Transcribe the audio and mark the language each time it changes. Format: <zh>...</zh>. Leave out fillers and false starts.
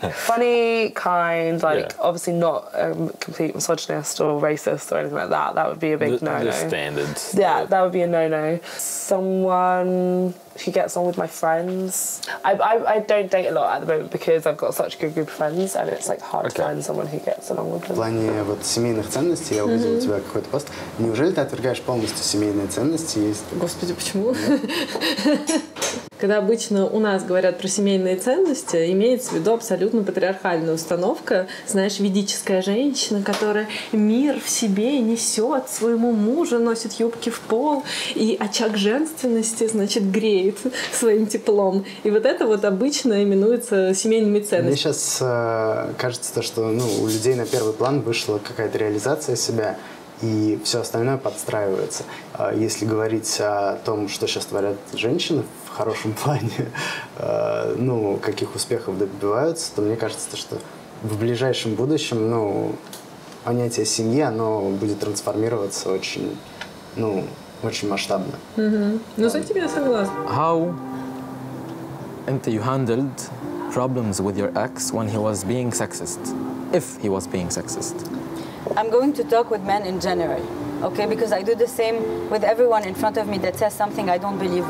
<en>Funny, kind, like obviously not a complete misogynist or racist or anything like that. That would be a big no-no. The standards. Yeah, that would be a no-no. Someone who gets on with my friends. I don't date a lot at the moment because I've got such a good group of friends, and it's like hard to find someone who gets along with them.</en> <ru>В плане вот семейных ценностей я увидел у тебя какой-то пост. Неужели ты отвергаешь полностью семейные ценности? Господи, почему? Когда обычно у нас говорят про семейные ценности, имеется в виду абсолютно патриархальная установка, знаешь, ведическая женщина, которая мир в себе несет своему мужу, носит юбки в пол, и очаг женственности, значит, греет своим теплом. И вот это вот обычно именуется семейными ценностями. Мне сейчас кажется, что ну, у людей на первый план вышла какая-то реализация себя, и все остальное подстраивается. Если говорить о том, что сейчас творят женщины в хорошем плане, ну, каких успехов добиваются, то мне кажется, что в ближайшем будущем, ну, понятие семьи, оно будет трансформироваться очень, ну, очень масштабно. Ну, с этим я согласна.</ru> <en>How until you handled problems with your ex when he was being sexist? If he was being sexist? I'm going to talk with men in general, okay? Because I do the same with everyone in front of me that says something I don't believe in.</en>